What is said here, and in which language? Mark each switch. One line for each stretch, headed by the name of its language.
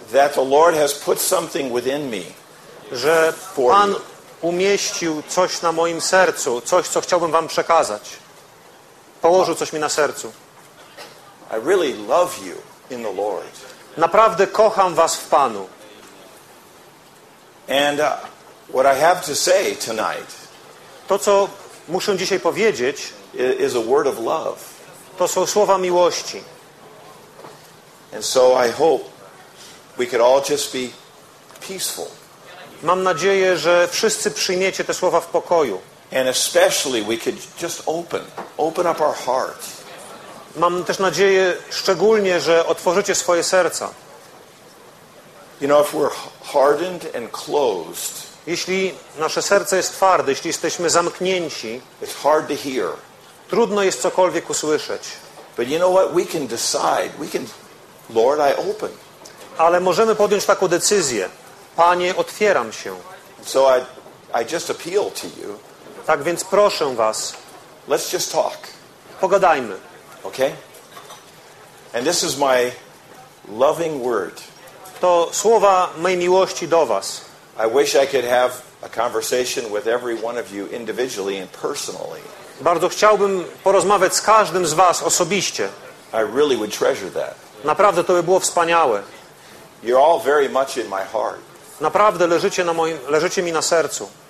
English: that the Lord has put something within me,
Polish: że Pan umieścił coś na moim sercu, coś, co chciałbym wam przekazać. Położył coś mi na sercu.
English: I really love you in the Lord.
Polish: Naprawdę kocham was w Panu.
English: And what I have to say tonight,
Polish: to co muszę dzisiaj powiedzieć,
English: is a word of love.
Polish: To są słowa miłości.
English: And so I hope we could all just be peaceful.
Polish: Mam nadzieję, że wszyscy przyjmiecie te słowa w pokoju.
English: And especially we could just open up our heart.
Polish: Mam też nadzieję szczególnie, że otworzycie swoje serca.
English: You know, if we're hardened and closed,
Polish: jeśli nasze serce jest twarde, jeśli jesteśmy zamknięci,
English: it's hard to hear.
Polish: Trudno jest cokolwiek usłyszeć.
English: But you know what? We can decide. We can, Lord, I open.
Polish: Ale możemy podjąć taką decyzję. Panie, otwieram się.
English: So I just appeal to you.
Polish: Tak więc proszę was.
English: Let's just talk.
Polish: Pogadajmy.
English: Okay? And this is my loving word.
Polish: To słowa mojej miłości do was.
English: I wish I could have a conversation with every one of you individually and personally.
Polish: Bardzo chciałbym porozmawiać z każdym z was osobiście.
English: I really would treasure that.
Polish: Naprawdę to by było wspaniałe.
English: You're all very much in my heart.
Polish: Naprawdę leżycie na moim, leżycie mi na sercu.